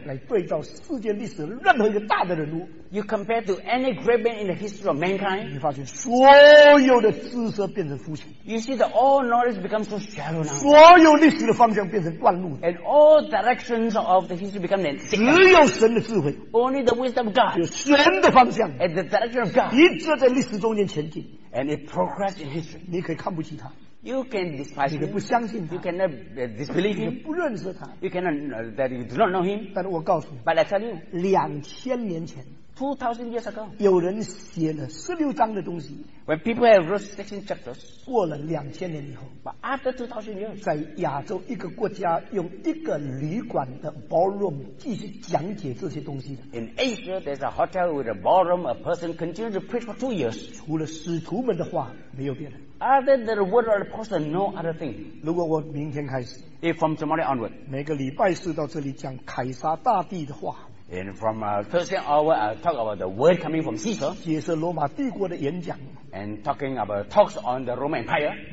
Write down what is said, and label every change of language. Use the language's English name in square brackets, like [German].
[Chinese] 来对照世界历史任何一个大的人物 [English] you compare to any great man in the history of mankind, [Chinese] 你发现所有的知识变成肤浅 [English] you see that all knowledge becomes so shallow now, [Chinese] 所有历史的方向变成断路 [English] and all directions of the history become an [Chinese] thick 只有神的智慧 [English] only the wisdom of God, [Chinese] 有神的方向 [English] and the direction of God, [Chinese] 一直在历史中间前进 [English] and it progresses in history, [Chinese] 你可以看不起他 [English] You can despise him. [Chinese] 你不相信他。 [English] You cannot disbelieve him. [Chinese] 你不认识他。 [English] You cannot that you do not know him. [Chinese] 但我告诉你。 [English] But I tell you, [Chinese] 2000年前 [English] 2000 years ago, [Chinese] 有人写了16章的东西。 [English] When people have wrote 16 chapters, [Chinese] 过了2000年以后。 [English] But after 2000 years, [Chinese] 在亚洲一个国家用一个旅馆的 ballroom 继续讲解这些东西。 [English] In Asia, there's a hotel with a ballroom, a person continues to preach for 2 years. [Chinese] 除了使徒们的话，没有别人。 [English] Other than the word of the apostle, no other thing. [Chinese] 如果我明天开始 [English] If from tomorrow onward, [Chinese] 每个礼拜四到这里讲凯撒大帝的话 [English] And from Thursday onward, I'll talk about the word coming from Caesar, [Chinese] 解释罗马帝国的演讲 [English] And talking about talks on the Roman Empire,